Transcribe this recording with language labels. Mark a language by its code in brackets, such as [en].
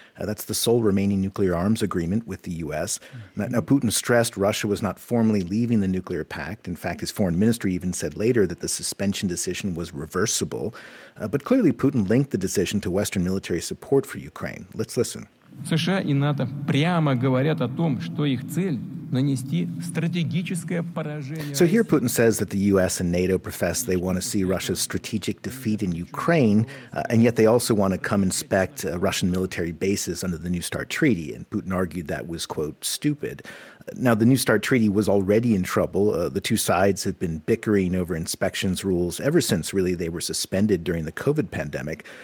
[en] That's the sole remaining nuclear arms agreement with the U.S. Mm-hmm. Now, Putin stressed Russia was not formally leaving the nuclear pact. In fact, his foreign ministry even said later that the suspension decision was reversible. But clearly, Putin linked the decision to Western military support for Ukraine. Let's listen. [ru] США и НАТО прямо говорят о том, что их цель – нанести стратегическое поражение. [en] So here Putin says that the U.S. and NATO profess they want to see Russia's strategic defeat in Ukraine, and yet they also want to come inspect Russian military bases under the New START treaty. And Putin argued that was, quote, stupid. Now, the New START treaty was already in trouble. The two sides have been bickering over inspections rules ever since, really, they were suspended during the COVID pandemic.